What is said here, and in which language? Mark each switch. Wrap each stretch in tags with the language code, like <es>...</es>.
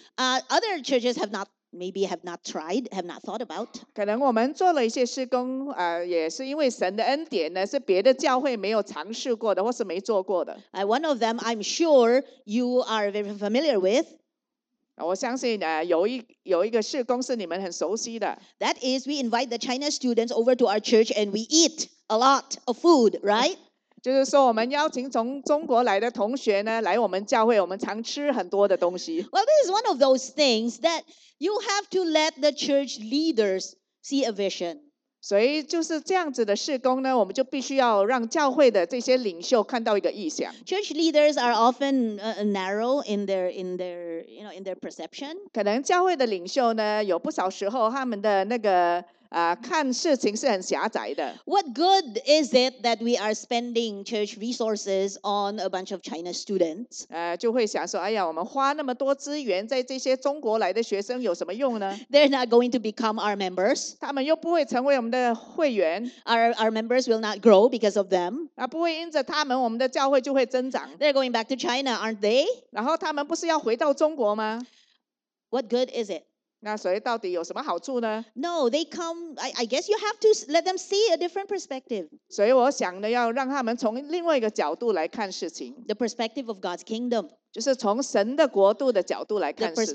<en>Other churches have not. Maybe have not tried, have not thought about.</en> <zh>可能我们做了一些事工，也是因为神的恩典呢，是别的教会没有尝试过的，或是没做过的。</zh> <en>One of them, I'm sure you are very familiar with.</en> <zh>我相信有一个事工是你们很熟悉的。</zh> <en>That is, we invite the China students over to our church and we eat a lot of food, right?</en> <zh>就是说，我们邀请从中国来的同学呢，来我们教会，我们常吃很多的东西。</zh> <en>Well, this is one of those things that. You have to let the church leaders see a vision.</en> <zh>所以就是这样子的事工呢，我们就必须要让教会的这些领袖看到一个意向。</zh> <en>Church leaders are often narrow in their perception.</en> <zh>可能教会的领袖呢，有不少时候他们的那个看事情是很狭窄的。</zh> <en>What good is it that we are spending church resources on a bunch of China students?</en> <zh>就会想说，哎呀，我们花那么多资源在这些中国来的学生有什么用呢？</zh> <en>They're not going to become our members.</en> <zh>他们又不会成为我们的会员。</zh> <en>Our members will not grow because of them.</en> <zh>不会因着他们，我们的教会就会增长。</zh> <en>They're going back to China, aren't they?</en> <zh>然后他们不是要回到中国吗？</zh> <en>What good is it?</en> <zh>那所以到底有什么好处呢？</zh> <en>No, they come. I guess you have to let them see a different perspective.</en> <zh>所以我想呢，要让他们从另外一个角度来看事情。</zh> <en>The perspective of God's kingdom.</en> <zh>就是从神的国度的角度来看事情。</zh>